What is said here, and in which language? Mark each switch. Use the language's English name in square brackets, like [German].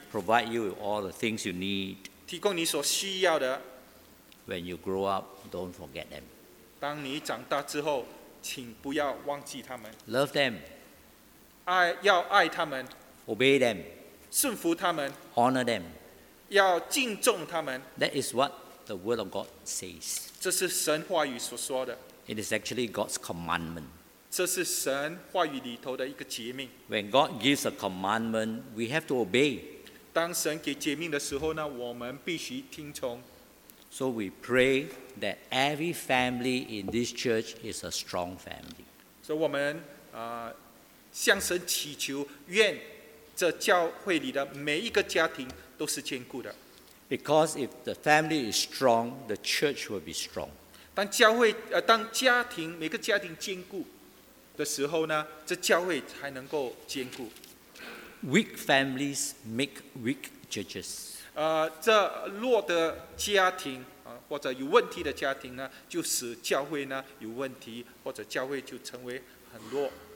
[English] Provide you with all the things you need. [Chinese] 提供你所需要的。 [English] When you grow up, don't forget them. [Chinese] 当你长大之后，请不要忘记他们。 [English] Love them. [Chinese] 要爱他们。 [English] Obey them. [Chinese] 顺服他们， [English] honor them， [Chinese] 要敬重他们。 [English] That is what the word of God says. [Chinese] 这是神话语所说的。 [English] It is actually God's commandment. [Chinese] 这是神话语里头的一个诫命。 [English] When God gives a commandment, we have to obey. [Chinese] 当神给诫命的时候呢，我们必须听从。 [English] So we pray that every family in this church is a strong family. [Chinese] 所以我们向神祈求，愿这教会里的每一个家庭都是坚固的。 [English] Because if the family is strong, the church will be strong. [Chinese] 当家庭每个家庭坚固的时候呢，这教会才能够坚固。 [English] Weak families make weak churches. [Chinese] 这弱的家庭或者有问题的家庭呢，就使教会呢有问题，或者教会就成为很弱。